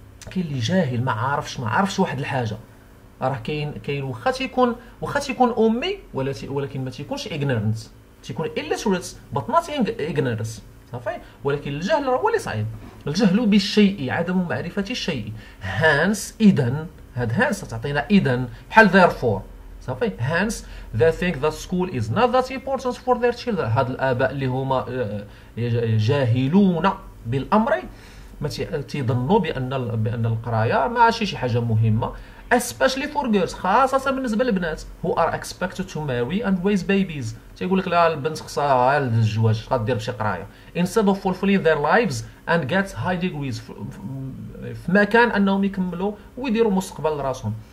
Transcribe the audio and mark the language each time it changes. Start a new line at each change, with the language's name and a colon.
Arabic: كاين اللي جاهل ما عارفش واحد الحاجه. راه كاين واخا تيكون امي ولكن ما تيكونش
English: ignorant
Arabic: تيكون
English: illiterate but not ignorant
Arabic: صافي. ولكن الجهل هو اللي صعيب. الجهل بالشيء عدم معرفة الشيء. hence إذن هاد hence تعطينا إذن بحال therefore صافي.
English: hence they think that school is not that important for their children.
Arabic: هاد الآباء اللي هما جاهلون بالأمر ما تيظنوا بأن القراية ماشي شي حاجة مهمة
English: especially for girls
Arabic: خاصة بالنسبة للبنات
English: who are expected to marry and raise babies.
Arabic: تيقول لك لا البنت خصها الزواج غادير بشي قراية
English: instead of fulfilling their lives and get high degrees
Arabic: في مكان انهم يكملوا ويديروا مستقبل لراسهم.